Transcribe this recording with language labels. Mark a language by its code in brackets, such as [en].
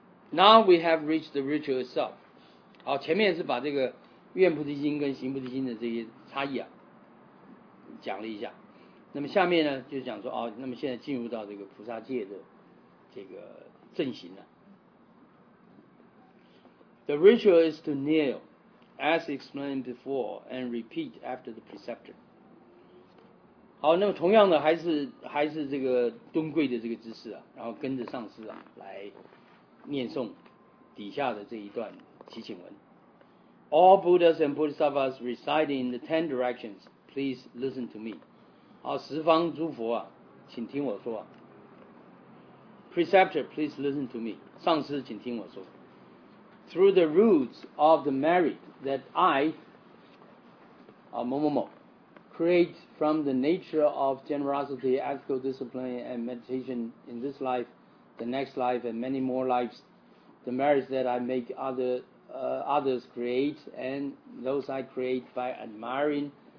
[en] Now we have reached the ritual itself。 [zh] 好，前面是把这个愿菩提心跟行菩提心的这些差异啊讲了一下，那么下面呢就讲说哦，那么现在进入到这个菩萨戒的这个正行了、啊。 [en] The ritual is to kneel, as explained before, and repeat after the preceptor. [zh] 好，那么同样的还是这个蹲跪的这个姿势啊，然后跟着上师啊来念诵底下的这一段祈请文。 [en] All Buddhas and Bodhisattvas residing in the 10 directions, please listen to me. [zh] 好，十方诸佛啊，请听我说啊。 [en] Preceptor, please listen to me. [zh] 上师，请听我说。 [en] Through the roots of the merit that I, 啊某某某 create from the nature of generosity, ethical discipline, and meditation in this life, the next life, and many more lives, the merits that I make others create, and those I create by admiring